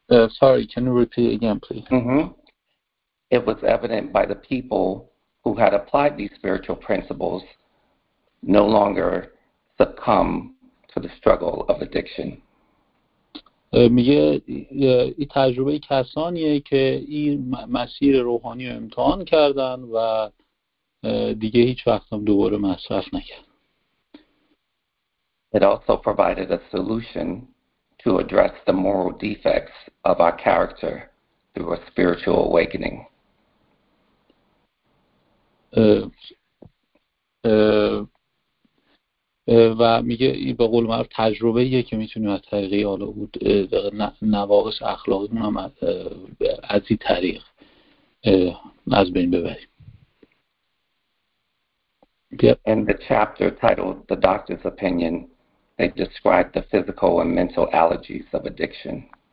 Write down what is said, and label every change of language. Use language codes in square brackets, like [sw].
[en] Sorry, can you repeat again, please? It was evident by the people who had applied these spiritual principles no longer succumb to the struggle of addiction. [fa] میگه این تجربه کسانیه که این مسیر روحانی رو امتحان کردن و دیگه هیچ وقت هم دوباره مصرف نکرد. [en] It also provided a solution to address the moral defects of our character through a spiritual awakening. Uh, [fa] و میگه به قول معروف تجربه ایه که میتونیم از طریق حالا بود نواقص اخلاقی هم از این طریق از بین ببریم. [en] In the chapter titled The Doctor's Opinion, they describe the physical and mental allergies of addiction.